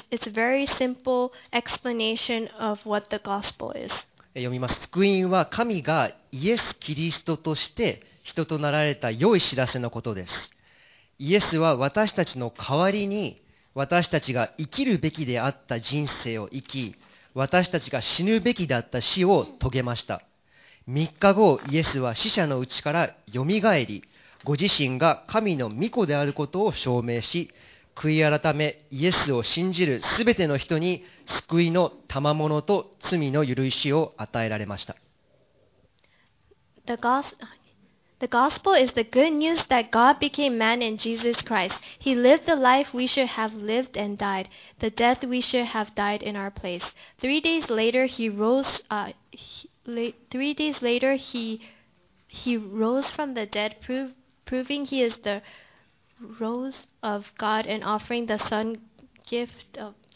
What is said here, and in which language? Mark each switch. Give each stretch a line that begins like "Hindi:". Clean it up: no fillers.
English: It's a very simple explanation of what the gospel is.
Japanese: 読みます。福音は神がイエス・キリストとして人となられた良い知らせのことです。イエスは私たちの代わりに私たちが生きるべきであった人生を生き、私たちが死ぬべきだった死を遂げました。 3日後、イエスは死者のうちからよみがえり、ご自身が神の御子であることを証明し、悔い改めイエスを信じるすべての人に救いの賜物と罪の許しを与えられました。
English: The gospel is the good news that God became man in Jesus Christ. He lived the life we should have lived and died, the death we should have died in our place. Three days later, he rose from the dead, proving he is the rose of God and offering the Son gift of...